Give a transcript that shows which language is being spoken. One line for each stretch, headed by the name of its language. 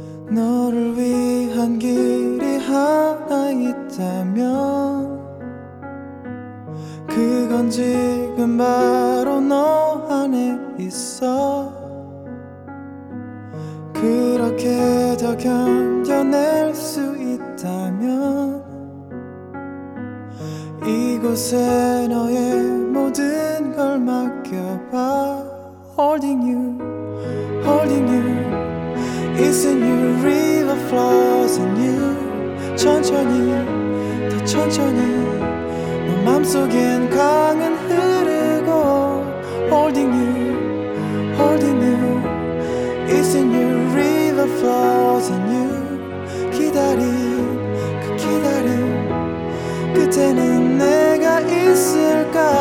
Korean: 너를 위한 길이 하나 있다면 그건 지금 바로 너 안에 있어. 그렇게 더 견뎌낼 수 있다면 이곳에 너의 모든 걸 맡겨봐.
English: Holding you, holding you, it's a new river flows in you.
Korean: 천천히, 더 천천히, 너 맘속엔 강은 흐르고.
English: Holding you, holding you, it's a new river flows in you.
Korean: 기다림, 그 기다림, 끝에는 내가 있을까.